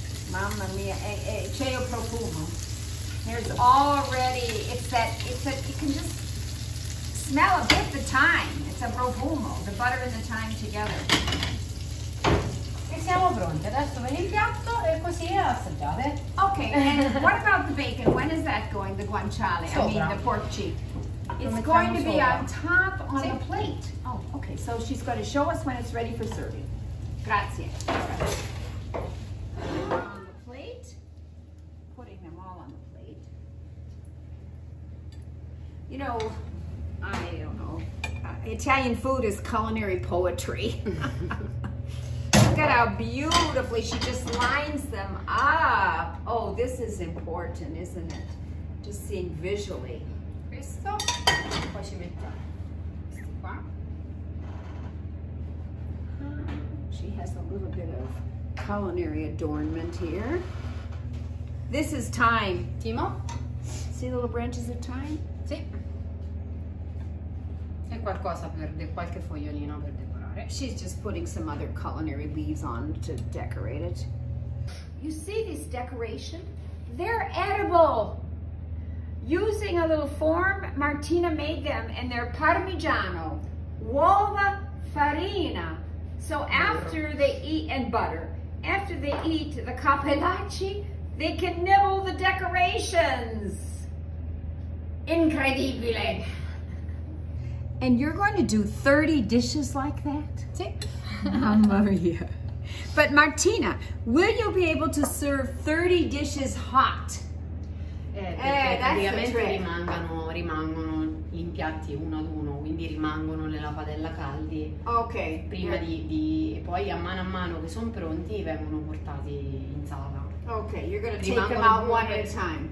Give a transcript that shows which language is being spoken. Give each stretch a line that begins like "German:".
Italian: Mamma mia, c'è il profumo.
English: There's already, you can just smell a bit the thyme. It's a profumo, the butter and the thyme together.
Italian: E siamo pronti, adesso vedi il piatto e così assaggiate.
English: Ok, and what about the bacon? When is that going, the guanciale?
Italian: Sopra.
English: I mean, the pork cheek. It's going to be on top on the plate. Oh, okay. So she's going to show us when it's ready for serving.
Italian: Grazie.
English: On the plate. Putting them all on the plate. You know, I don't know. Italian food is culinary poetry. You've got to at how beautifully she just lines them up. Oh, this is important, isn't it? Just seeing visually.
Italian: Questo. Poi ci mette questi qua.
English: She has a little bit of culinary adornment here. This is thyme.
Italian: Timo?
English: See little branches of thyme?
Italian: Sì. C'è qualcosa verde, qualche fogliolino per decorare.
English: She's just putting some other culinary leaves on to decorate it. You see this decoration? They're edible! Using a little form, Martina made them, and they're
Italian: parmigiano, uova, farina.
English: So after they eat, and butter, after they eat the cappellacci, they can nibble the decorations.
Italian: Incredibile.
English: And you're going to do 30 dishes like that?
Italian: Sì. Maria.
English: But Martina, will you be able to serve 30 dishes hot?
Italian: Praticamente rimangono gli impiatti uno ad uno, quindi rimangono nella padella caldi.
English: Ok.
Italian: Prima di poi a mano che sono pronti vengono portati in sala.
English: Ok, you're gonna take them out one at a time.